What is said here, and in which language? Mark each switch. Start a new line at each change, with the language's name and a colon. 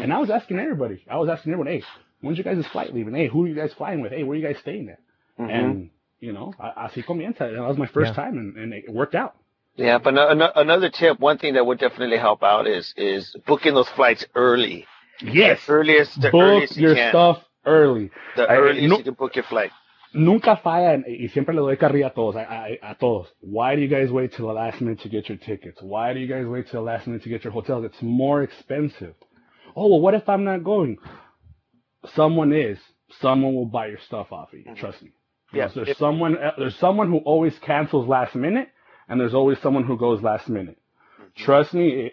English: And I was asking everyone, hey, when's your guys' flight leaving? Hey, who are you guys flying with? Hey, where are you guys staying at? Mm-hmm. And, you know,
Spanish: así comienza.
English: That was my first time, and it worked out. Yeah, but another tip, one thing that would definitely help out is booking those flights early. Yes. Book your stuff early. You can book your flight.
Spanish: Nunca falla, y siempre le doy carrilla a todos.
English: Why do you guys wait till the last minute to get your tickets? Why do you guys wait till the last minute to get your hotels? It's more expensive. Oh, well, what if I'm not going? Someone will buy your stuff off of you. Mm-hmm. Trust me. Yes. Yeah, so there's someone who always cancels last minute, and there's always someone who goes last minute. Mm-hmm. Trust me.